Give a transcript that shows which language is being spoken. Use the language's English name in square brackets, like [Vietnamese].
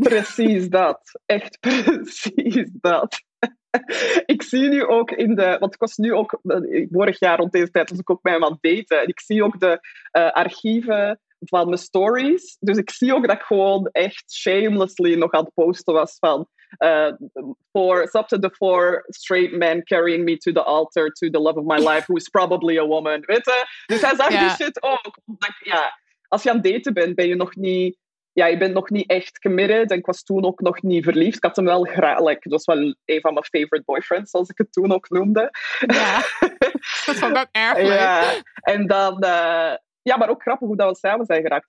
[Dutch] Precies dat. Echt precies dat. Ik zie nu ook in de... Want ik was nu ook... Vorig jaar rond deze tijd was ik ook bij hem aan het daten. En ik zie ook de archieven van mijn stories. Dus ik zie ook dat ik gewoon echt shamelessly nog aan het posten was van... Snap je, [English] the 4 straight men carrying me to the altar, to the love of my life, who is probably a woman. [Dutch] Weet je? Dus hij zag die shit ook. Omdat, ja, als je aan het daten bent, ben je nog niet... Ja, ik ben nog niet echt committed en ik was toen ook nog niet verliefd. Ik had hem wel graag, dat was wel een van mijn [English] favorite boyfriends, [Dutch] zoals ik het toen ook noemde. Ja, dat vond ik ook erg leuk. Ja. En dan, maar ook grappig hoe dat we samen zijn geraakt.